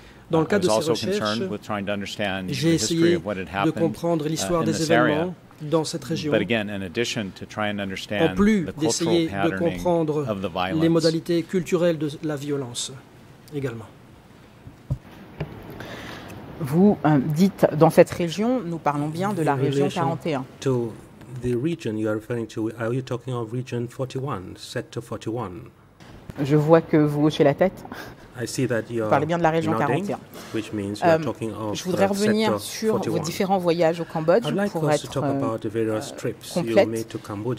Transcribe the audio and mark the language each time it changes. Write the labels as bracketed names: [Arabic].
[French] Dans le cadre de ces recherches, j'ai essayé de comprendre l'histoire des événements dans cette région. En plus d'essayer de comprendre les modalités culturelles de la violence également. Vous dites dans cette région, nous parlons bien de la région 41. [English] To the region you are referring to, are you talking of region 41, sector 41? [French] Je vois que vous hochez la tête. Vous parlez bien de la région 41. Je voudrais revenir sur vos différents voyages au Cambodge pour être complète.